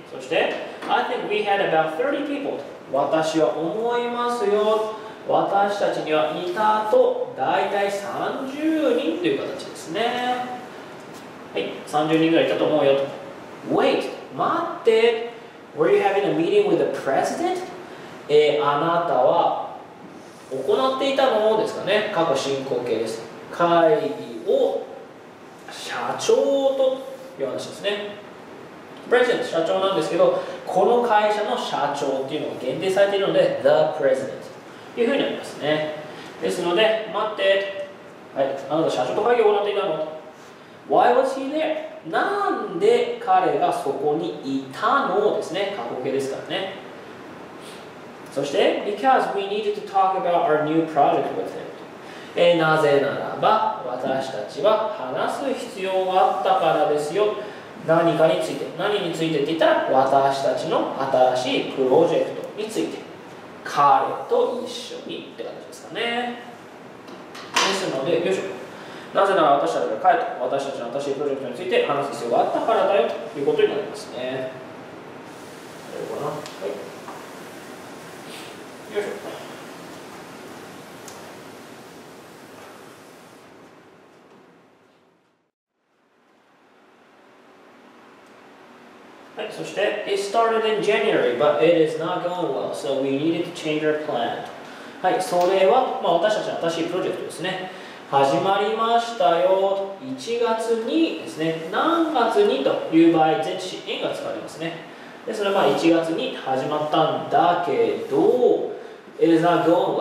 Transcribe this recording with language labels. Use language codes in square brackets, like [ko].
[en] そして I think we had about 30 people. [ja] 私は思いますよ、私たちにはいたと大体30人という形ですね。はい、30人ぐらいいたと思うよと。Wait! 待って! [en] Were you having a meeting with the president? [ja] あなたは行っていたのですかね。過去進行形です。会議を社長という話ですね。 President 社長なんですけど、この会社の社長っていうのが限定されているので The President というふうになりますね。ですので待って、はい、あなた社長と会議を行っていたの。 [en] Why was he there? [ja] なんで彼がそこにいたのですね。過去形ですからね。 [en] そして Because we needed to talk about our new project with him。 [ja] なぜならば私たちは話す必要があったからですよ。何かについて、何についてって言ったら私たちの新しいプロジェクトについて、彼と一緒にって感じですかね。ですのでよいしょ、なぜなら私たちが彼と私たちの新しいプロジェクトについて話す必要があったからだよということになりますね。どうかな、はい、よいしょ。 [en] そして It started in January, but it is not going well, so we needed to change our plan. [ja] はい、それは、まあ、私たちの新しいプロジェクトですね。始まりましたよ。 1月にですね、何月にという場合、前置詞が使われますね。で、それはまあ1月に始まったんだけど、 [en] It is not going well。